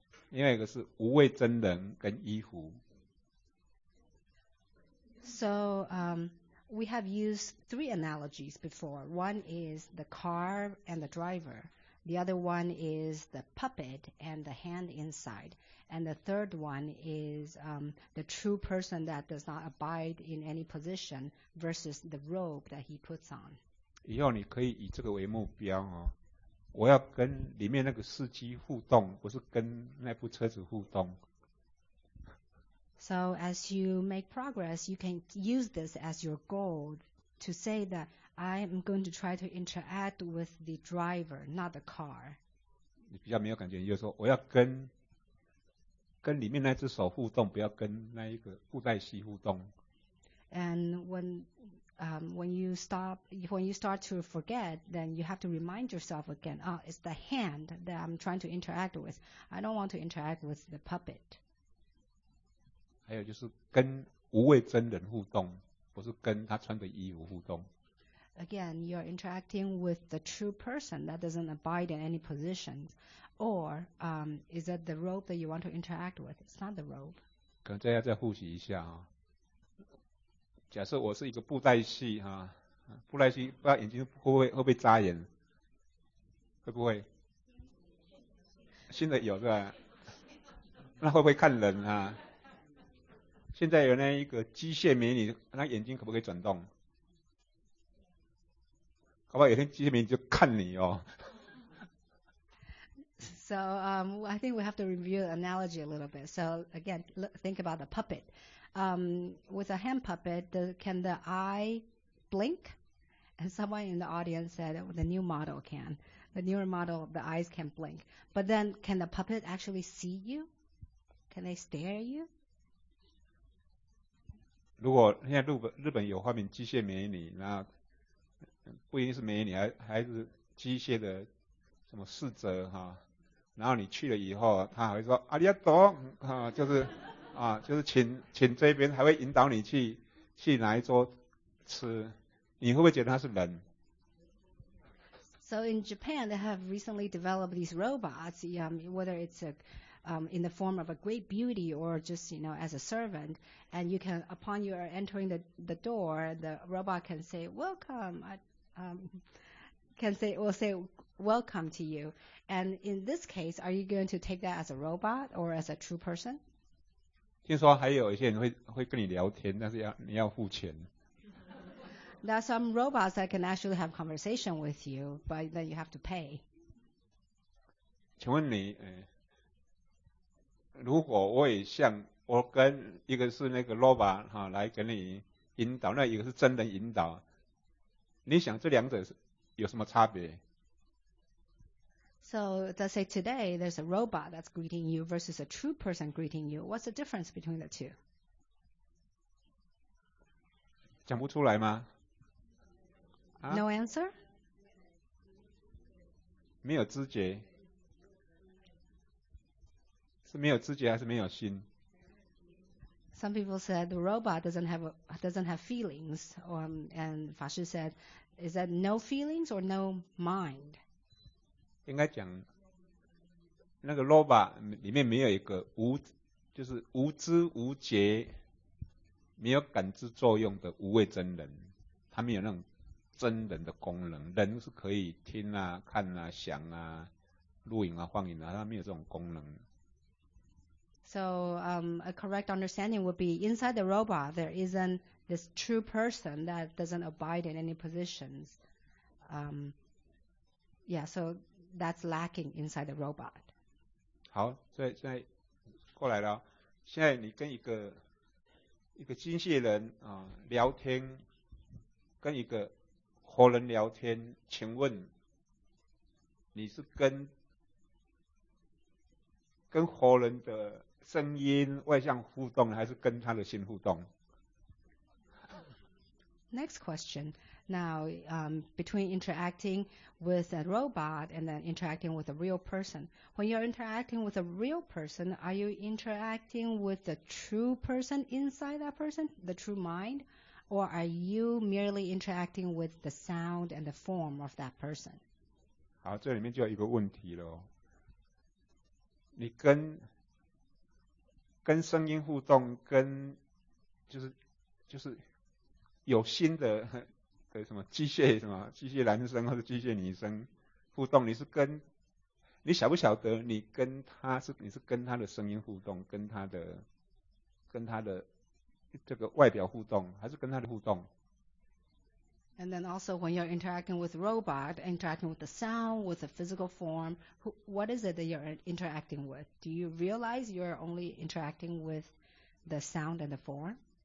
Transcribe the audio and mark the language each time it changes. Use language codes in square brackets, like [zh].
[zh] 另外一个是无畏真人跟衣服。 [en] So, we have used three analogies before. One is the car and the driver. The other one is the puppet and the hand inside. And the third one is the true person that does not abide in any position versus the robe that he puts on. [zh] 以后你可以以这个为目标哦。我要跟里面那个司机互动，不是跟那部车子互动。 [en] So as you make progress, you can use this as your goal to say that I am going to try to interact with the driver, not the car. [zh] 你比较没有感觉，你就说我要跟里面那只手互动，不要跟那一个布袋戏互动。 [en] And when you start to forget, then you have to remind yourself again, oh, it's the hand that I'm trying to interact with. I don't want to interact with the puppet. [zh] 还有就是跟无畏真人互动，不是跟他穿的衣服互动。 [en] Again, you're interacting with the true person that doesn't abide in any positions. Or is it the robe that you want to interact with? It's not the robe. [zh] 可能这要再复习一下啊。假设我是一个布袋戏哈、啊，布袋戏不知道眼睛会不会扎眼，会不会？新的有是吧？那会不会看人啊？现在有那一个机械美女，那眼睛可不可以转动？搞不好有天机械美女就看你哦。 [en] So, I think we have to review the analogy a little bit. So again, think about the puppet. With a hand puppet, can the eye blink? And someone in the audience said, well, the new model can. The newer model, the eyes can blink. But then, can the puppet actually see you? Can they stare at you? [zh] 如果现在日本有发明机械美女，那不一定是美女，还是机械的什么侍者哈、啊。然后你去了以后，他还会说阿里亚多啊，就是。啊，就是请这边，还会引导你去哪一桌吃，你会不会觉得他是人？ [en] So in Japan, they have recently developed these robots. Whether it's a in the form of a great beauty or just, you know, as a servant. And you can, upon you are entering the door, the robot can say, welcome. Will say welcome to you. And in this case, are you going to take that as a robot or as a true person? [zh] 听说还有一些人 会跟你聊天，但是要你要付钱。 [en] There are some robots that can actually have conversation with you, but then you have to pay. [zh] 请问你，如果我也像我跟一个是那个 robot 哈、啊、来跟你引导，那一个是真的引导，你想这两者有什么差别？ [en] So let's say today there's a robot that's greeting you versus a true person greeting you. What's the difference between the two? [zh] 讲不出来吗、 [en] 啊、No answer? [zh] 没有知觉，是没有知觉还是没有心？ [en] Some people said the robot doesn't have feelings, and Fa Shi said, is that no feelings or no mind? [zh] 应该讲那个 robot 里面没有一个无，就是无知无觉没有感知作用的无畏真人，他没有那种真人的功能，人是可以听啊看啊想啊录影啊放映啊，他没有这种功能。 [en] So a correct understanding would be inside the robot there isn't this true person that doesn't abide in any positions. Yeah, soThat's lacking inside the robot. [zh] 好，所以现在过来了。现在你跟一个机械人啊聊天，跟一个活人聊天，请问你是跟活人的声音外向互动，还是跟他的心互动？ [en] Next question. Now, between interacting with a robot and then interacting with a real person, when you're interacting with a real person, are you interacting with the true person inside that person, the true mind, or are you merely interacting with the sound and the form of that person? [zh] 好，这里面就有一个问题了。你跟声音互动，跟就是有心的。什么机械，什么机械男生或者机械女生互动，你晓不晓得你是跟他的声音互动，跟他的这个外表互动，还是跟他的互动？ [en] And then also when you're interacting with robot, interacting with the sound, with the physical form, what is it that you're interacting with? Do you realize you're only interacting with the sound and the form?